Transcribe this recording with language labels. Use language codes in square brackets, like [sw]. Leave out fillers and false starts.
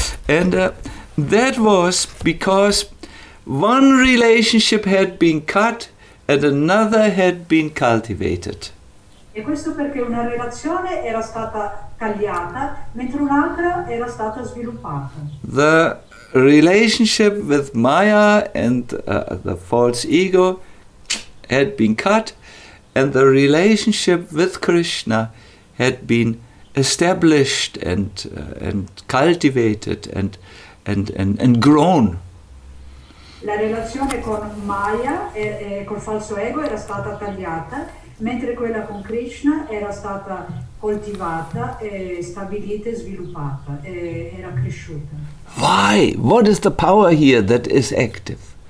[en] And that was because one relationship had been cut and another had been cultivated. [it] E questo perché una relazione era stata tagliata mentre un'altra era stata sviluppata. [en] The relationship with Maya and the false ego had been cut, and the relationship with Krishna had been established and cultivated and grown. [it] La relazione con Maya e col falso ego era stata tagliata, mentre quella con Krishna era stata coltivata e stabilita e sviluppata, e era cresciuta. [en] Why? What is the power here that is active?